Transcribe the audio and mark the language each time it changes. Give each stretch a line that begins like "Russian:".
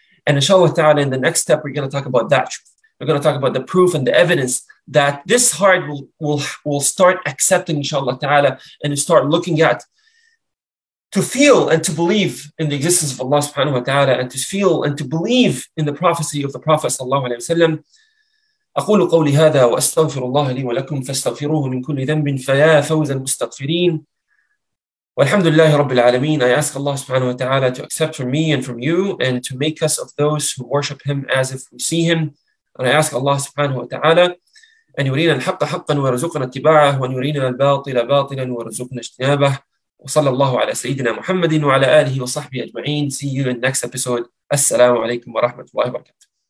English: And inshallah ta'ala, in the next step, we're going to talk about that truth. We're going to talk about the proof and the evidence that this heart will start accepting inshallah ta'ala and start looking at, to feel and to believe in the existence of Allah subhanahu wa ta'ala, and to feel and to believe in the prophecy of the Prophet sallallahu alayhi wa sallam.
Arabic: أقول قولي هذا وأستغفر الله لي ولكم فاستغفروه من كل ذنب فيا فوز المستغفرين والحمد لله رب العالمين.
English: I ask Allah subhanahu wa ta'ala to accept from me and from you and to make us of those who worship him as if we see him. And I ask Allah subhanahu wa ta'ala
Arabic: أن يرينا الحق حقا ويرزقنا اتباعه وأن يرينا الباطل باطلا ويرزقنا اجتنابه. وصلى الله على سيدنا محمد وعلى آله وصحبه أجمعين.
English: See you in next episode.
Arabic: السلام عليكم ورحمة الله وبركاته.